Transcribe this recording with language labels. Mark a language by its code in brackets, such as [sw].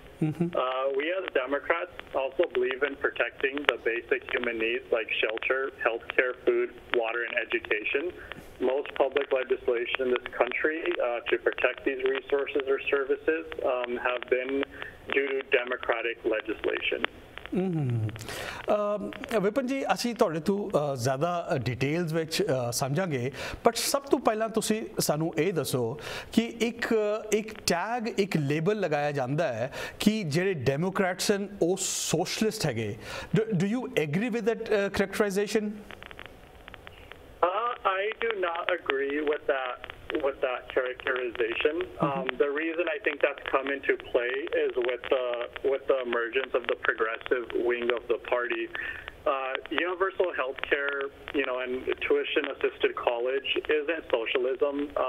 [en] We as Democrats also believe in protecting the basic human needs like shelter, healthcare, food, water, and education. Most public legislation in this country to protect these resources or services have been due to Democratic legislation. [pa] Vipan ਜੀ, ਅਸੀਂ ਤੁਹਾਡੇ ਤੋਂ ਜ਼ਿਆਦਾ details ਵਿੱਚ ਸਮਝਾਂਗੇ, but ਸਭ ਤੋਂ ਪਹਿਲਾਂ ਤੁਸੀਂ ਸਾਨੂੰ ਇਹ ਦੱਸੋ ਕਿ ਇੱਕ ਇੱਕ ਟੈਗ, ਇੱਕ ਲੇਬਲ ਲਗਾਇਆ ਜਾਂਦਾ ਹੈ ਕਿ ਜਿਹੜੇ ਡੈਮੋਕਰੈਟਸ ਹਨ ਉਹ ਸੋਸ਼ਲਿਸਟ ਹੈਗੇ। [en] Do you agree with that characterisation? I do not agree with that characterization. The reason I think that's come into play is with the emergence of the progressive wing of the party. Universal health care, you know, and tuition assisted college isn't socialism.